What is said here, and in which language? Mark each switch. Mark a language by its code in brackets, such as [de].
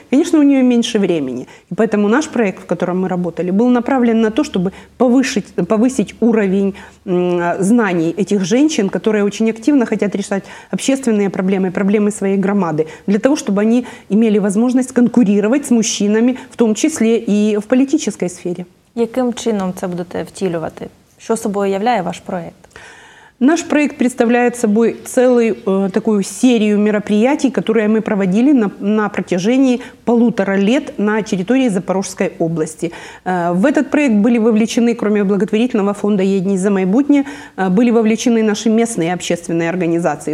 [ru] Конечно, у нее меньше времени. И поэтому наш проект, в котором мы работали, был направлен на то, чтобы повысить уровень знаний этих женщин, которые очень активно хотят решать общественные проблемы, проблемы своей громады, для того, чтобы они имели возможность конкурировать с мужчинами, в том числе и в политической сфере. [uk] Яким чином це будете втілювати? Що собою являє ваш проект? [ru] Наш проект представляет собой целую такую серию мероприятий, которые мы проводили на протяжении полутора лет на территории Запорожской области. В этот проект были вовлечены, кроме благотворительного фонда «Єдні за майбутнє», были вовлечены наши местные общественные организации.